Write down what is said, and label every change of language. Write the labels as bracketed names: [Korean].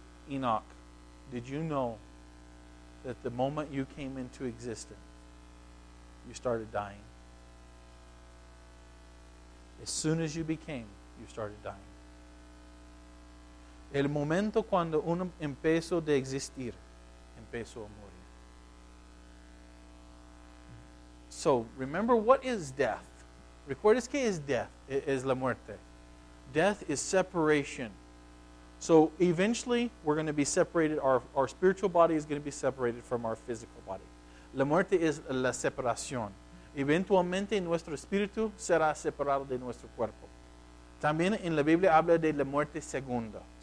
[English] Enoch, did you know that the moment you came into existence, you started dying? As soon as you became, you started dying. [Spanish] El momento cuando uno empezó de existir, empezó a morir. [English] So, remember, what is death? [Spanish] ¿Recuerdas qué es death? Es la muerte. [English] Death is separation. So, eventually, we're going to be separated. Our spiritual body is going to be separated from our physical body. [Spanish] La muerte es la separación. Eventualmente nuestro espíritu será separado de nuestro cuerpo. También en la Biblia habla de la muerte segunda.